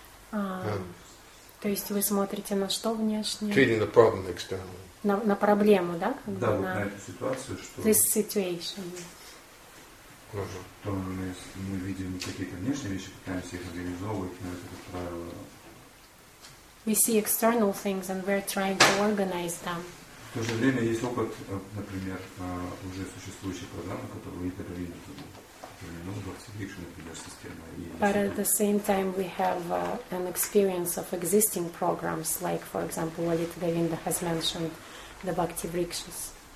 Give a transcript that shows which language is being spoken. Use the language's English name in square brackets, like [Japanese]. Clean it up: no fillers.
[Russian] То есть вы смотрите на что внешне? [English] Treating the problem externally. [Russian] На проблему, да? Да, вот на эту ситуацию, что... [English] This situation. [Russian] То мы видим какие-то внешние вещи, пытаемся их организовывать, но это, как правило... [English] We see external things and we're trying to organize them. [Russian] В то же время есть опыт, например, уже существующей программы, которую мы подарили, например, Bhakti-Dikshana, например, система. [English] But at the same time we have an experience of existing programs, like, for example, Lalita Govinda has mentioned the Bhakti-Dikshas.